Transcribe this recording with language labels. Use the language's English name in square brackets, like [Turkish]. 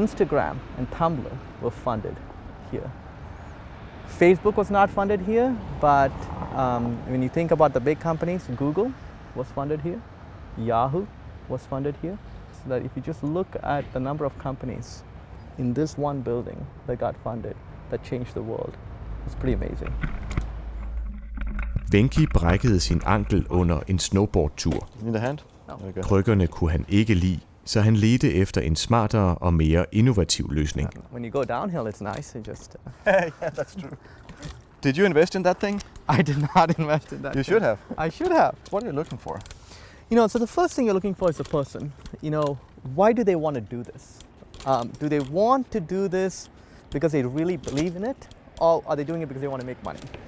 [English] Instagram and Tumblr were funded here. Facebook was not funded here, but when you think about the big companies, Google was funded here. Yahoo was funded here. So that if you just look at the number of companies in this one building that got funded, that changed the world, it's pretty amazing. [Danish] Venki brækkede sin ankel under en snowboardtur. [English] In the hand? No. [Danish] Krykkerne kunne han ikke lide, så han ledte efter en smartere og mere innovativ løsning. [English] When you go downhill, it's nice. You just. Yeah, that's true. Did you invest in that thing? I did not invest in that. You should have. I should have. What are you looking for? You know, so the first thing you're looking for is a person. You know, why do they want to do this? Do they want to do this because they really believe in it, or are they doing it because they want to make money?